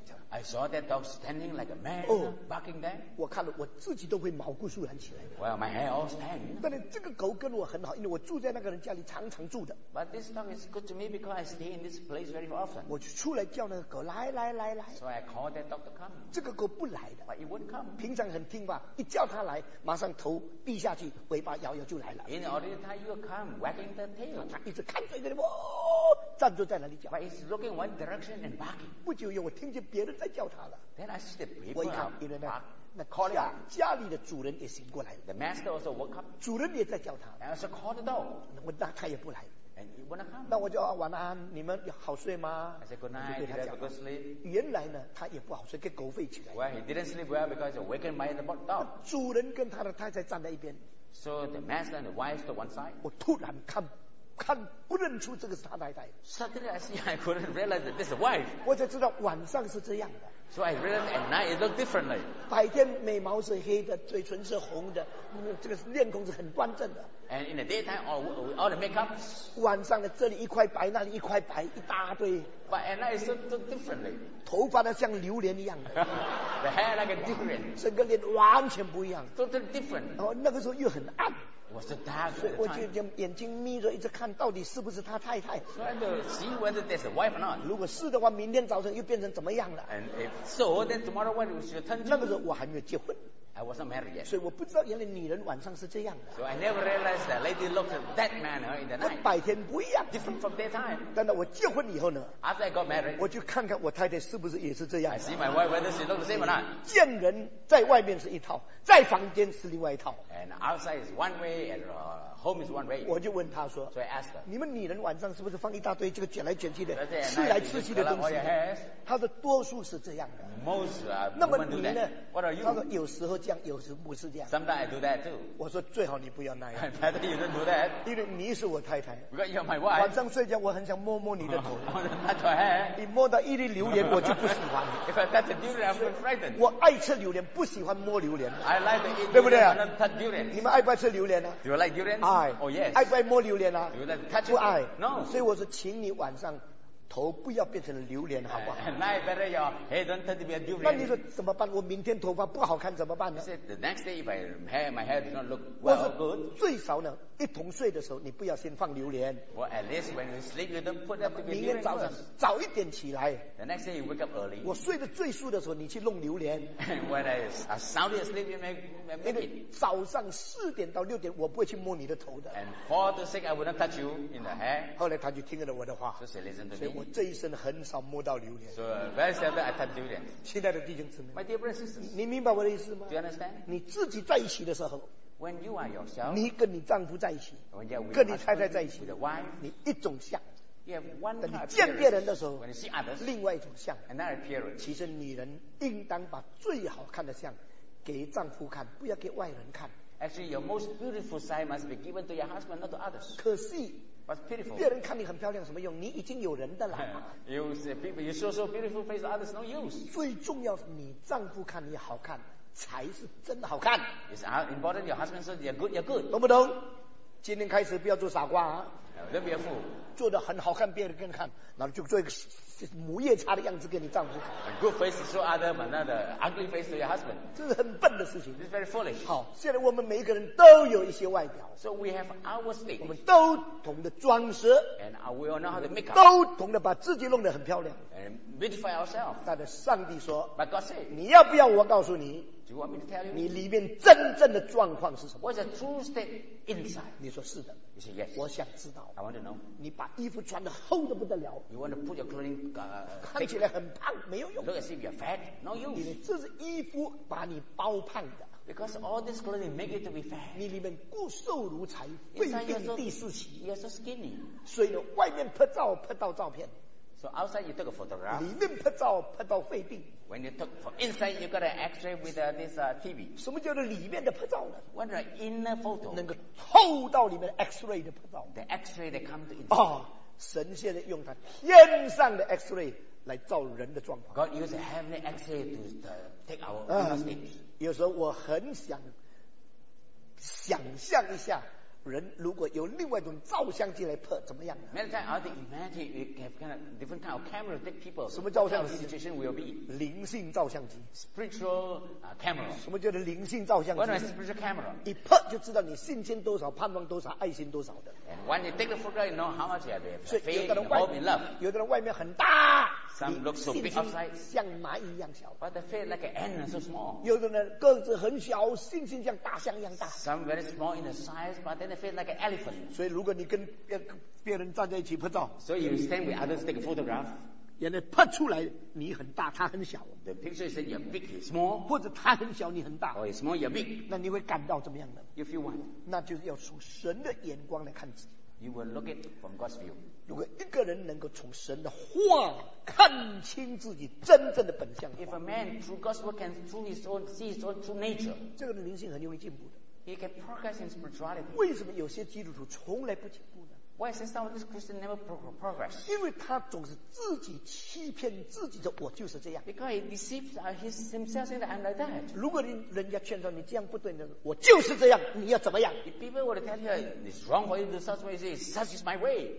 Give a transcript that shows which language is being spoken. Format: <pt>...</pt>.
<en>I saw that dog standing like a man barking there</en> <zh>我看了我自己都会毛骨悚然起来</zh> <en>Well, my hair all stand</en> <zh>但是这个狗跟我很好 因为我住在那个人家里常常住的</zh> <en>But this dog is good to me because I stay in this place very often</en> <zh>我就出来叫那个狗 来来来来</zh> <en>So I called that dog to come</en> <zh>这个狗不来的</zh> <en>But it wouldn't come</en> <zh>平常很听话 一叫它来 马上头低下去 尾巴摇摇就来了</zh> <en>In ordinary time you will come wagging the tail</en> <zh>它一直看着一个 哦 站住在那里叫</zh> <en>But it's looking one direction and barking</en> <zh>不久我听见别人在叫他了</zh> <en>Then I see the people bark</en> <zh>家里的主人也醒过来了</zh> <en>The master also woke up</en> <zh>主人也在叫他了</zh> <en>And I also called the dog</en> <zh>那他也不来</zh> <en>And he wouldn't come</en> <zh>那我就晚安 你们好睡吗</zh> <en>I said good night Did you have a good sleep</en> <zh>原来呢他也不好睡 给狗吠起来</zh> <en>Well he didn't sleep well because he awakened by the dog</en> <zh>主人跟他的太太站在一边</zh> <en>So the master and the wife stood one side</en> <zh>我突然看 看不认出这个是他太太</zh> <en>Suddenly I see I couldn't realize that this is a wife</en> <zh>我才知道晚上是这样的</zh> <en>So I realized at night it looked differently</en> <zh>白天眉毛是黑的 嘴唇是红的 这个面孔是很端正的</zh> <en>And in the daytime all the makeups</en> <zh>晚上的这里一块白 那里一块白 一大堆</zh> <en>But at night it looked so differently</en> <zh>头发的像榴莲一样的</zh> <en>The hair like a durian</en> <zh>整个脸完全不一样</zh> <en>Totally different</en> <zh>然后那个时候又很暗</zh> <en>Was the dark?</en> <zh>我就眼睛眯着，一直看到底是不是他太太。</zh> <en>Trying to see whether there's a wife or not.</en> <zh>如果是的话，明天早上又变成怎么样了？</zh> <en>And if so, then tomorrow what will you turn to?</en> <zh>那个时候我还没有结婚。</zh> <en>I was not married yet.</en> <zh>所以我不知道原来女人晚上是这样的。</zh> <en>So I never realized that lady looked at that man in the night.</en> <zh>那白天不一样。</zh> <en>Different from daytime.</en> <zh>等到我结婚以后呢？</zh> <en>After I got married.</en> <zh>我就看看我太太是不是也是这样的。</zh> <en>I see my wife whether she looks the same or not.</en> <zh>见人在外面是一套。在房间是另外一套</zh> <en>And outside is one way and home is one way</en> <zh>我就问他说</zh> <en>So I asked her</en> <zh>你们女人晚上是不是放一大堆这个卷来卷去的 吃来吃去的东西 他说多数是这样的</zh> <en>Most do that</en> <zh>那么你呢 他说有时候这样 有时候不是这样</zh> <en>Sometimes I do that too</en> <zh>我说最好你不要那样</zh> <en>I'd rather you don't do that</en> <zh>因为你是我太太</zh> <en>Because you're my wife</en> <zh>晚上睡觉我很想摸摸你的头</zh> <en>I want to touch your hair</en> <zh>你摸到一粒榴莲 我就不喜欢</zh> <en>If I touch a durian I'm frightened</en> <zh>我爱吃榴莲 不喜欢摸榴莲</zh> <en>I like the Indian durian.</en> <zh>你们爱不爱吃榴莲呢?</zh> <en>Do you like durian?</en> <zh>爱。</zh> <en>Oh yes.</en> <zh>爱不爱摸榴莲呢?</zh> <en>Do you like to touch it?</en> <zh>不爱。</zh> <en>No.</en> <zh>所以我说，请你晚上头不要变成榴莲，好不好?</zh> <en>And I better your hair don't turn to be a durian.</en> <zh>那你说怎么办？我明天头发不好看怎么办呢?</zh> <en>I said the next day if my hair does not look well or good.</en> <zh>最少呢，一同睡的时候你不要先放榴莲。</zh> <en>Well at least when you sleep you don't put up to be a durian.</en> <zh>明天早上早一点起来。</zh> <en>The next day you wake up early.</en> <zh>我睡得最熟的时候你去弄榴莲。</zh> <en>When I sound asleep you make it.</en> <zh>早上4点到6点我不会去摸你的头的。</zh> <en>And 4 to 6 I will not touch you in the hair.</en> <zh>后来他就听了我的话。</zh> <en>So she listened to me.</en> <zh>所以我这一生很少摸到榴莲。</zh> <en>So very seldom I touch durian.</en> <zh>亲爱的弟兄姊妹。</zh> <en>My dear brothers and sisters.</en> <zh>你明白我的意思吗?</zh> <en>Do you understand?</en> <zh>你自己在一起的时候。</zh> <en>When you are yourself,</en> <zh>你跟你丈夫在一起,</zh> <en>when you are with</en> <zh>跟你太太在一起,</zh> <en>with the wife,</en> <zh>你一种像,</zh> <en>you have one</en> <zh>等你见别人的时候,</zh> <en>when you see others,</en> <zh>另外一种像,</zh> <en>another appearance.</en> <zh>其实女人应当把最好看的像给丈夫看, 不要给外人看。</zh> <en>Actually, your most beautiful side must be given to your husband, not to others.</en> <zh>可是,</zh> <en>What's beautiful?</en> <zh>别人看你很漂亮，什么用？你已经有人的了。</zh> <en>You say people, you show so beautiful face, others no use.</en> <zh>最重要，你丈夫看你好看，才是真的好看。</zh> <en>It's important your husband says you're good, you're good.</en> <zh>懂不懂？今天开始不要做傻瓜啊！别别富，做得很好看，别人更看，那就做一个母夜叉的样子给你丈夫看。</zh> <en>A good face to other man, not the ugly face to your husband.</en> <zh>这是很笨的事情。</zh> <en>It's very foolish.</en> <zh>好，现在我们每一个人都有一些外表。</zh> <en>So we have our stage.</en> <zh>我们都懂得装饰。</zh> <en>And we all know how to make up.</en> <zh>都懂得把自己弄得很漂亮。</zh> <en>And beautify ourselves.</en> <zh>但是上帝说</zh> <en>，But God said,</en> <zh>你要不要我告诉你？</zh> <en>Do you want me to tell you?</en> <zh>你里面真正的状况是什么</zh> <en>？What's the true state inside?</en> <zh>你说是的。</zh> <en>You say yes.</en> <zh>我想知道。</zh> <en>I want to know.</en> <zh>你把衣服穿得厚得不得了。</zh> <en>You want to put your clothing?</en> <zh>看起来很胖，没有用。</zh> <en>Look as if you're fat, no use.</en> <zh>因为这是衣服把你包胖的。</zh> <en>Because all this clothing make you to be fat.</en> <zh>你里面骨瘦如柴，未必是第四期。</zh> <en>You're so skinny.</en> <zh>所以呢，外面拍照拍到照片。</zh> <en>So outside you took a photograph.</en> <zh>里面拍照拍到肺病。</zh> <en>When you took from inside, you got an X-ray with this TV.</en> <zh>什么叫做里面的拍照呢</zh> <en>？What's the inner photo?</en> <zh>能够透到里面 X-ray 的拍照。</zh> <en>The X-ray that come to inside.</en> <zh>啊，神现在用他天上的 X-ray 来照人的状况。</zh> <en>God used heavenly X-ray to take our inner state.</en> <zh>有时候我很想想象一下。人如果有另外一种照相机来拍，怎么样呢</zh> <en>？Many times, I think, imagine we have kind of different kind of camera to take people.</en> <zh>什么照相机</zh> <en>？Situation will be</en> <zh>灵性照相机</zh> <en>，spiritual camera.</en> <zh>什么叫做灵性照相机</zh> <en>？What is spiritual camera?</en> <zh>一拍就知道你信心多少，盼望多少，爱心多少的。</zh> <en>And when you take the photo, you know how much you have faith, hope, and love.</en> <zh>有的人外面很大</zh> <en>，some look so big outside,</en> <zh>像蚂蚁一样小</zh> <en>，but the faith like an ant, so small.</en> <zh>有的人个子很小，信心像大象一样大</zh> <en>，some very small in the size, but then like an elephant.</en> <zh>所以如果你跟 别人站在一起拍照</zh> <en>，So you stand with others take a photograph.</en> <zh>原来拍出来你很大，他很小。</zh> <en>The picture says you're big, you're small.</en> <zh>或者他很小，你很大。</zh> <en>Or small, you're big.</en> <zh>那你会感到怎么样呢</zh> <en>？You feel what?</en> <zh>那就是要从神的眼光来看自己。</zh> <en>You will look it from God's view.</en> <zh>如果一个人能够从神的话看清自己真正的本相</zh> <en>，If a man through God's word can through his own see his own true nature,</en> <zh>这个人灵性很容易进步的。</zh> <en>He can progress in spirituality.</en> <zh>为什么有些基督徒从来不进步呢</zh> <en>？Why since some of these Christians never progress?</en> <zh>因为他总是自己欺骗自己的，我就是这样。</zh> <en>Because he deceives himself saying that I'm like that.</en> <zh>如果人家劝说你这样不对呢，我就是这样，你要怎么样</zh> <en>？If people would tell you it's wrong for you to such way, say such is my way.</en>